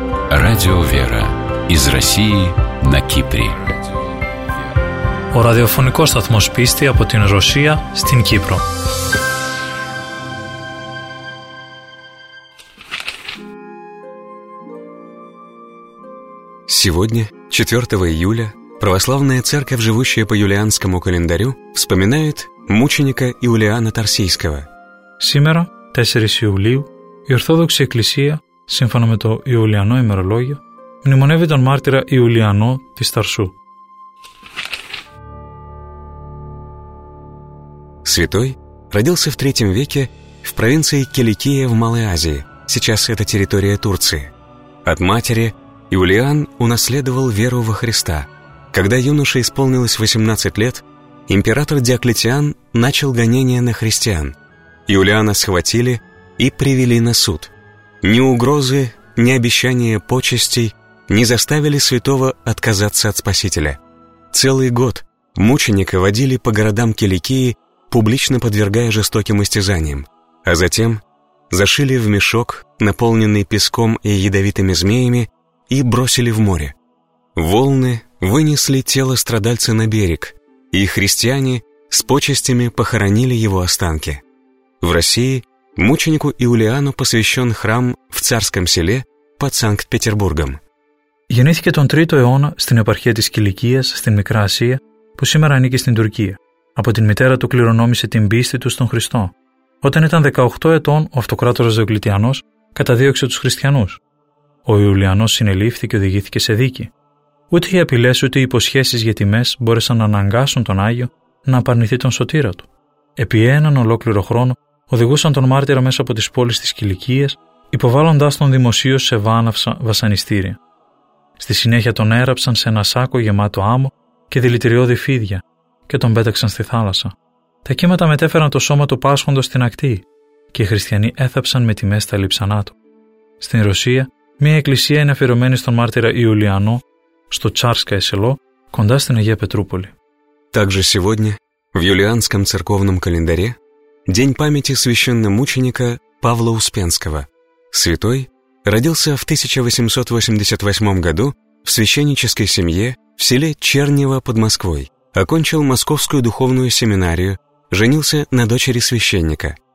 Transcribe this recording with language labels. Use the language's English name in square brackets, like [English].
[Russian] Радио «Вера» из России на Кипре. [Greek] Ο ραδιοφωνικός σταθμός πίστη από την Ρωσία στην Κύπρο. [Russian] Сегодня, 4 июля, православная церковь, живущая по юлианскому календарю, вспоминает мученика Иулиана Тарсийского. Сегодня, 4 июля, [Greek] η Ορθόδοξη Εκκλησία, σύμφωνα με το Ιουλιανό ημερολόγιο, μνημονεύει τον μάρτυρα Ιουλιανό της Ταρσού. [Russian] Святой родился в III веке в провинции Киликия в Малой Азии, сейчас это территория Турции. От матери Иулиан унаследовал веру во Христа. Когда юноше исполнилось 18 лет, император Диоклетиан начал гонения на христиан. Иулиана схватили и привели на суд. Ни угрозы, ни обещания почестей не заставили святого отказаться от Спасителя. Целый год мученика водили по городам Киликии, публично подвергая жестоким истязаниям, а затем зашили в мешок, наполненный песком и ядовитыми змеями, и бросили в море. Волны вынесли тело страдальца на берег, и христиане с почестями похоронили его останки. В России мученику Иулиану посвящен храм в царском селе под Санкт-Петербургом. [Greek] Γεννήθηκε τον 3ο αιώνα στην επαρχία της Κιλικίας, στην Μικρά Ασία, που σήμερα ανήκει στην Τουρκία. Από την μητέρα του κληρονόμησε την πίστη του στον Χριστό. Όταν ήταν 18 ετών, ο αυτοκράτορας Διοκλητιανός καταδίωξε τους χριστιανούς. Ο Ιουλιανός συνελήφθη και οδηγήθηκε σε δίκη. Ούτε οι απειλές ούτε οι υποσχέσεις για τιμές μπόρεσαν να αναγκάσουν τον Άγιο να απαρνηθεί τον σωτήρα του. Επί έναν ολόκληρο χρόνο οδηγούσαν τον μάρτυρα μέσα από τις πόλεις της Κιλικίας, υποβάλλοντάς τον δημοσίως σε βάναυσα βασανιστήρια. Στη συνέχεια τον έραψαν σε ένα σάκο γεμάτο άμμο και δηλητηριώδη φίδια και τον πέταξαν στη θάλασσα. Τα κύματα μετέφεραν το σώμα του πάσχοντος στην ακτή και οι χριστιανοί έθαψαν με τιμές τα λείψανά του. Στην Ρωσία, μια εκκλησία είναι αφιερωμένη στον μάρτυρα Ιουλιανό στο Τσάρσκαε Σελό, κοντά στην Αγία Πετρούπολη. [Russian] Также сегодня в юлианском церковном календаре день памяти священномученика Павла Успенского. Святой родился в 1888 году в священнической семье в селе Чернево под Москвой. Окончил Московскую духовную семинарию, женился на дочери священника.